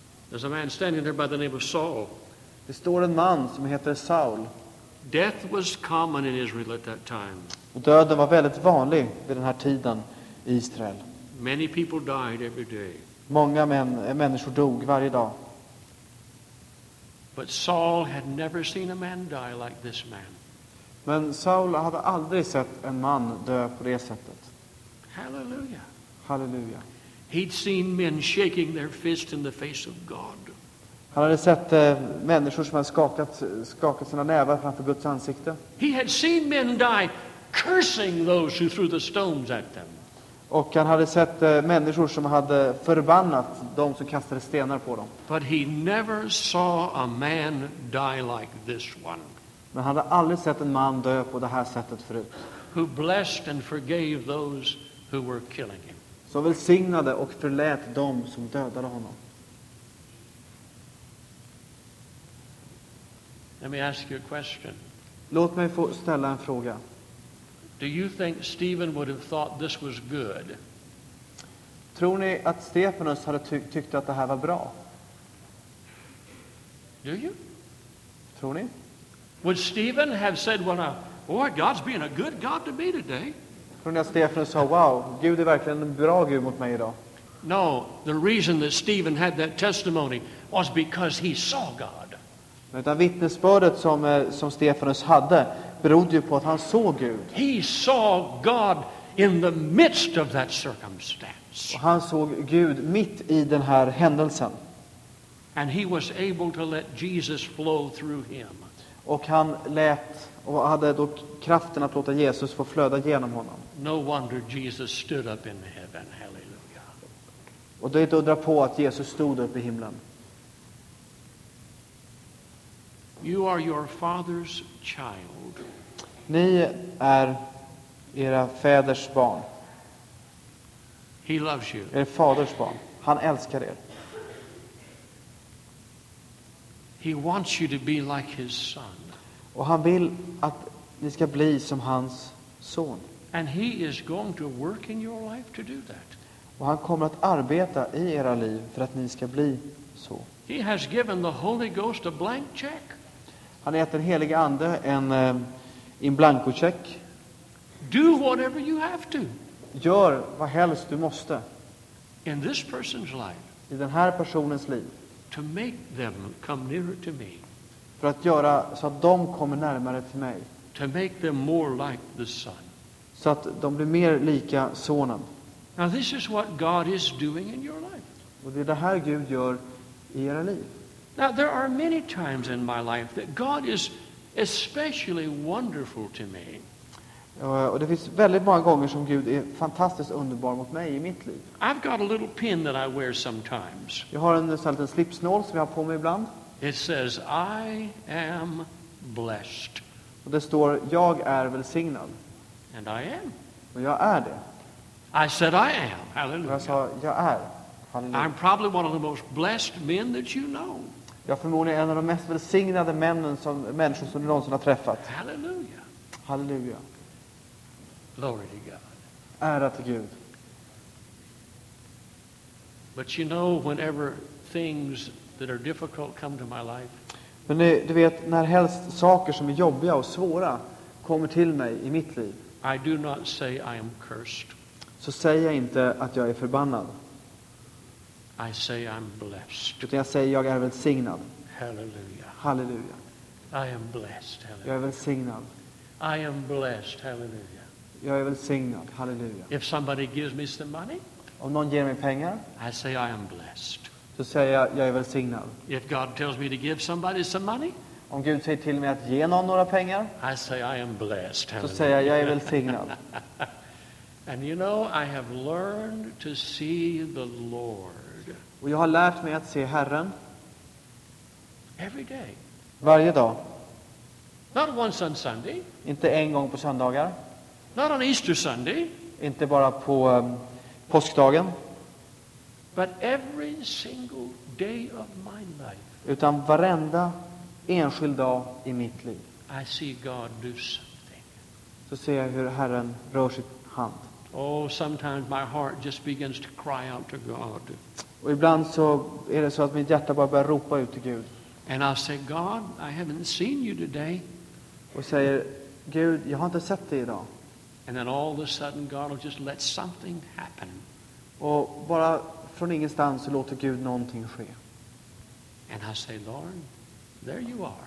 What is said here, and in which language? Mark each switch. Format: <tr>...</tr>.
<en>There's a man standing there by the name of Saul.</en> <sv>Det står en man som heter Saul.</sv> <en>Death was common in Israel at that time.</en> <sv>Och döden var väldigt vanlig vid den här tiden i Israel.</sv> <en>Many people died every day.</en> <sv>Många människor dog varje dag.</sv> <en>But Saul had never seen a man die like this man.</en> <sv>Men Saul hade aldrig sett en man dö på det sättet.</sv> <en>Halleluja.</en> <sv>Halleluja.</sv> <en>He'd seen men shaking their fist in the face of God.</en> <sv>Han hade sett människor som hade skakat sina nävar framför Guds ansikte.</sv> <en>He had seen men die cursing those who threw the stones at them.</en> <sv>Och han hade sett människor som hade förbannat de som kastade stenar på dem.</sv> <en>But he never saw a man die like this one.</en> <sv>Men han hade aldrig sett en man dö på det här sättet förut.</sv> <en>Who blessed and forgave those who were killing him.</en> <sv>Som välsignade och förlät de som dödade honom.</sv> <en>Let me ask you a question.</en> <sv>Låt mig få ställa en fråga.</sv> <en>Do you think Stephen would have thought this was good?</en> <sv>Tror ni att Stefanus hade tyckt att det här var bra?</sv> <en>Do you?</en> <sv>Tror ni?</sv> <en>Would Stephen have said, "Well, boy, God's being a good God to me today"?</en> <sv>Tror ni att Stefanus sa, "Wow, Gud är verkligen en bra Gud mot mig idag"?</sv> <en>No, the reason that Stephen had that testimony was because he saw God.</en> <sv>Utan vittnesbördet som Stefanus hade berodde ju på att han såg Gud.</sv> <en>He saw God in the midst of that circumstance.</en> <sv>Och han såg Gud mitt i den här händelsen.</sv> <en>And he was able to let Jesus flow through him.</en> <sv>Och han lät och hade då kraften att låta Jesus få flöda genom honom.</sv> <en>No wonder Jesus stood up in heaven. Hallelujah.</en> <sv>Och det är inte att undra på att Jesus stod upp i himlen.</sv> <en>You are your father's child.</en> <sv>Ni är era fäders barn.</sv> <en>He loves you.</en> <sv>Er faders barn. Han älskar er.</sv> <en>He wants you to be like his son.</en> <sv>Och han vill att ni ska bli som hans son.</sv> <en>And he is going to work in your life to do that.</en> <sv>Och han kommer att arbeta i era liv för att ni ska bli så.</sv> <en>He has given the Holy Ghost a blank check.</en> <sv>Han har gett den helige ande en in blanco check.</sv> <en>Do whatever you have to.</en> <sv>Gör vad helst du måste.</sv> <en>In this person's life.</en> <sv>I den här personens liv.</sv> <en>To make them come nearer to me.</en> <sv>För att göra så att de kommer närmare till mig.</sv> <en>To make them more like the son.</en> <sv>Så att de blir mer lika sonen.</sv> <en>Now this is what God is doing in your life.</en> <sv>Och det är det här Gud gör i era liv.</sv> <en>Now there are many times in my life that God is especially wonderful to me.</en> <sv>Och det finns väldigt många gånger som Gud är fantastiskt underbar mot mig i mitt liv.</sv> <en>I've got a little pin that I wear sometimes.</en> <sv>Jag har en liten slipsnål som jag har på mig ibland.</sv> <en>It says I am blessed.</en> <sv>Och det står jag är välsignad.</sv> <en>And I am.</en> <sv>Och jag är det.</sv> <en>I said I am. Hallelujah.</en> <sv>Jag sa jag är.</sv> <en>Hallelujah. I'm probably one of the most blessed men that you know.</en> <sv>Jag förmodligen är en av de mest välsignade människor som du någonsin har träffat.</sv> <en>Halleluja.</en> <sv>Halleluja.</sv> <en>Glory to God.</en> <sv>Ära till Gud.</sv> <en>But you know whenever things that are difficult come to my life.</en> <sv>Men du vet när helst saker som är jobbiga och svåra kommer till mig i mitt liv.</sv> <en>I do not say I am cursed.</en> <sv>Så säger jag inte att jag är förbannad.</sv> <en>I say I'm blessed.</en> <sv>Utan jag säger jag är välsignad.</sv> <en>Hallelujah.</en> <sv>Hallelujah.</sv> <en>I am blessed. Hallelujah.</en> <sv>Jag är välsignad.</sv> <en>I am blessed. Hallelujah.</en> <sv>Jag är välsignad. Hallelujah.</sv> <en>If somebody gives me some money,</en> <sv>om någon ger mig pengar,</sv> <en>I say I am blessed.</en> <sv>Så säger jag är välsignad.</sv> <en>If God tells me to give somebody some money,</en> <sv>om Gud säger till mig att ge någon några pengar,</sv> <en>I say I am blessed.</en> <sv>Så säger jag är välsignad.</sv> <en>And you know, I have learned to see the Lord.</en> <sv>Och jag har lärt mig att se Herren.</sv> <en>Every day.</en> <sv>Varje dag.</sv> <en>Not once on Sunday.</en> <sv>Inte en gång på söndagar.</sv> <en>Not on Easter Sunday.</en> <sv>Inte bara på påskdagen.</sv> <en>But every single day of my life.</en> <sv>Utan varenda enskild dag i mitt liv.</sv> <en>I see God do something.</en> <sv>Så ser jag hur Herren rör sitt hand.</sv> <en>Oh, sometimes my heart just begins to cry out to God.</en> <sv>Och ibland så är det så att mitt hjärta bara börjar ropa ut till Gud.</sv> <en>And I say, God, I haven't seen you today.</en> <sv>Och säger, Gud, jag har inte sett dig idag.</sv> <en>And then all of a sudden God will just let something happen.</en> <sv>Och bara från ingenstans så låter Gud någonting ske.</sv> <en>And I say, Lord, there you are.</en>